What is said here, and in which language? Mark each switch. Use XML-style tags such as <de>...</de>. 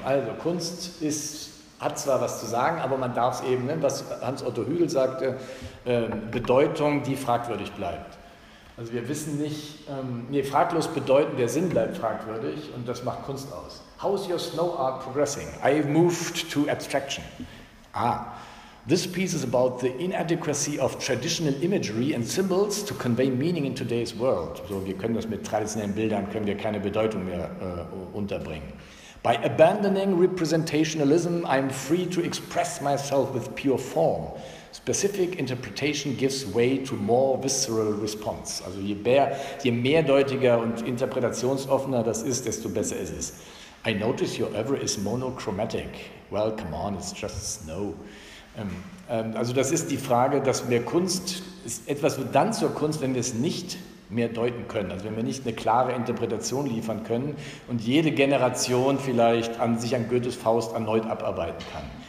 <de>Also Kunst ist, hat zwar was zu sagen, aber man darf es eben, was Hans-Otto Hügel sagte, Bedeutung, die fragwürdig bleibt. Also wir wissen nicht, fraglos bedeuten, der Sinn bleibt fragwürdig und das macht Kunst aus.</de> <en>How's your snow art progressing? I moved to abstraction. Ah, this piece is about the inadequacy of traditional imagery and symbols to convey meaning in today's world.</en> <de>So, wir können das mit traditionellen Bildern, können wir keine Bedeutung mehr unterbringen.</de> <en>By abandoning representationalism, I'm free to express myself with pure form. Specific interpretation gives way to more visceral response.</en> <de>Also je mehrdeutiger und interpretationsoffener das ist, desto besser ist es.</de> <en>I notice your oeuvre is monochromatic. Well, come on, it's just snow.</en> <de>Also das ist die Frage, dass wir Kunst, etwas wird dann zur Kunst, wenn wir es nicht mehr deuten können, also wenn wir nicht eine klare Interpretation liefern können und jede Generation vielleicht sich an Goethes Faust erneut abarbeiten kann.</de>